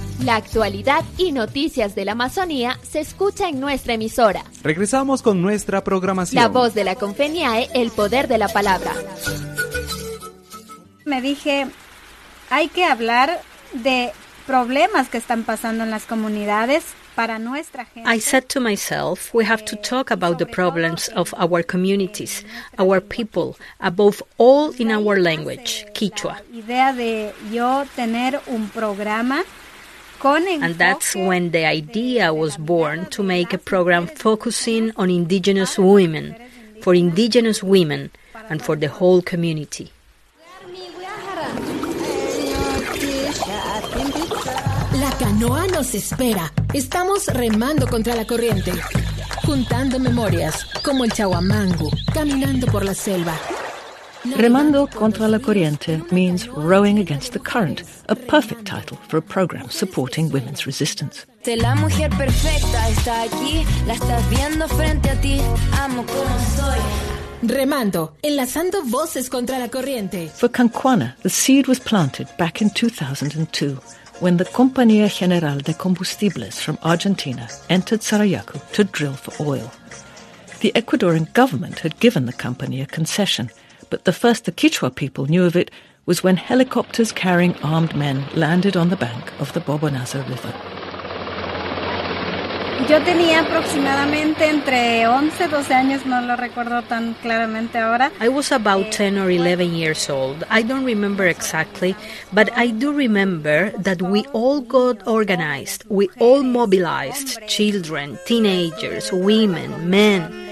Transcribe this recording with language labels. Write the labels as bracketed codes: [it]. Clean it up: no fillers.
[es] La actualidad y noticias de la Amazonía se escucha en nuestra emisora. Regresamos con nuestra programación. La voz de la Confeniae, el poder de la palabra. Me dije, hay que hablar de problemas que están pasando en las comunidades. [en] I said to myself, we have to talk about the problems of our communities, our people, above all in our language, Quechua. And that's when the idea was born to make a program focusing on indigenous women, for indigenous women and for the whole community. [es] Canoa nos espera. Estamos remando contra la corriente, juntando memorias, como el chahuamango, caminando por la selva. Remando contra la corriente [en] means rowing against the current, a perfect title for a program supporting women's resistance. [es] La mujer perfecta está aquí, la estás viendo frente a ti, amo como soy. Remando, enlazando voces contra la corriente. [en] For Cancuana, the seed was planted back in 2002. When the Compañía General de Combustibles from Argentina entered Sarayaku to drill for oil. The Ecuadorian government had given the company a concession, but the first the Quechua people knew of it was when helicopters carrying armed men landed on the bank of the Bobonazo River. [es] Yo tenía aproximadamente entre 11, 12 años, no lo recuerdo tan claramente ahora. [en] I was about 10 or 11 years old. I don't remember exactly, but I do remember that we all got organized. We all mobilized, children, teenagers, women, men.